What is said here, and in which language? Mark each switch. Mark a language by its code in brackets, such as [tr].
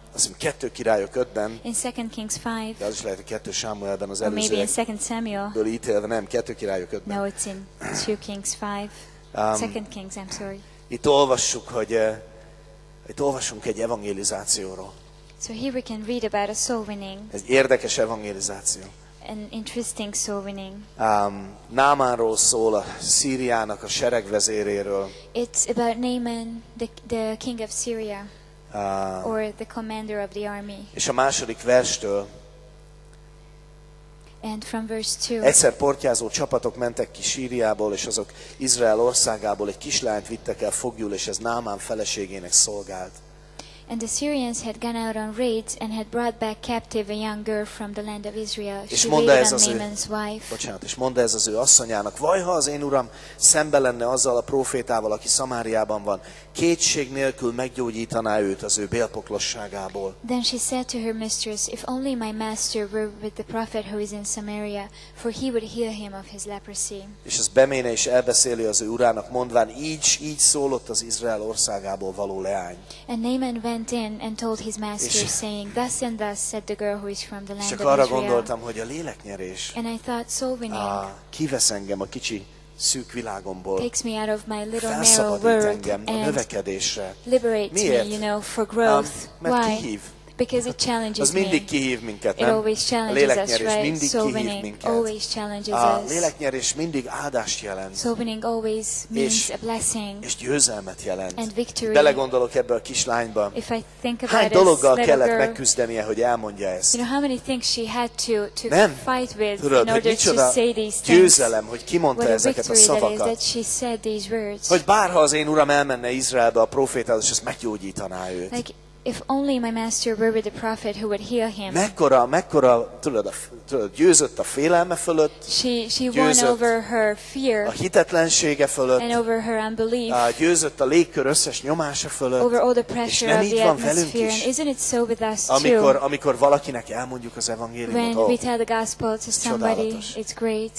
[hu] Azt kettő királyok ötben. [en] In 2 Kings 5. [hu] De az is lehet, hogy kettő Sámuelben az előzőek. [en] Or maybe in 2 Samuel. [hu] Ből ítélve, nem, kettő királyok ötben. [en] No, it's in 2 Kings 5. Second Kings, I'm sorry. [hu] Itt olvassuk, hogy itt olvasunk egy evangelizációról. [en] So here we can read about a soul winning. [hu] Ez érdekes evangelizáció. [en] An interesting soul winning. [hu] Námánról szól a Szíriának a seregvezéréről. [en] It's about Naaman, the king of Syria, or the commander of the army. [hu] És a második verstől. [en] And from verse 2. [hu] Egyszer portyázó csapatok mentek ki Síriából, és azok Izrael országából egy kislányt vittek el foglyul, és ez Námán feleségének szolgált. [en] And the Syrians had gone out on raids and had brought back captive a young girl from the land of Israel. [hu] És mondta ez az [en] Naaman's wife. [hu] Bocsánat, és mondta ez az ő asszonyának, vajha az én uram szembe lenne azzal a prófétával, aki Szamáriában van, kétség nélkül meggyógyítaná őt az ő bélpoklosságából. [en] Then she said to her mistress, if only my master were with the prophet who is in Samaria, for he would heal him of his leprosy. [hu] És ez beméne és elbeszéli az ő urának, mondván, így szólott az Izrael országából való leány. [en] And Naaman went in and told his master, saying, thus and thus said the girl who is from the land of Israel. [hu] Csak arra gondoltam, hogy a léleknyerés. [en] And I thought, soul winning. [hu] Kivesz engem a kicsi szűk világomból. [en] Takes me out of my little narrow world and [hu] növekedésre. [en] Liberates me, you know, for growth. Why? [hu] Kihív. [en] Because it challenges [hu] az mindig kihív minket, nem? [en] It always challenges [hu] a léleknyerés [en] us, right? [hu] Mindig [en] soul [hu] kihív [en] winning [hu] minket. [en] Always challenges [hu] a léleknyerés mindig áldást jelent. [en] Soul winning always means a blessing. [hu] És győzelmet jelent. [en] And victory. [hu] Belegondolok ebbe a kislányba. [en] If I think about [hu] hány dologgal kellett [en] girl, [hu] megküzdenie, hogy elmondja ezt? [en] You know how many things she had to [hu] nem? [en] Fight with [hu] tudod, [en] in order to say these things. [hu] Győzelem, hogy kimondta ezeket a szavakat. [en] That is, that she said these words. [hu] Hogy bárha az én uram elmenne Izraelbe a prófétához, és ezt meggyógyítaná őt. [en] Like, if only my master were with the prophet who would heal him. [hu] Mekkora, tudod, győzött a félelme fölött. [en] She won over her fear. [hu] A hitetlensége fölött. [en] And over her unbelief. [hu] Győzött a légkör összes nyomása fölött. [en] Over all the pressure of the atmosphere. And isn't it so with us too? [hu] Amikor valakinek elmondjuk az evangéliumot. [en] When we tell the gospel to somebody, it's great.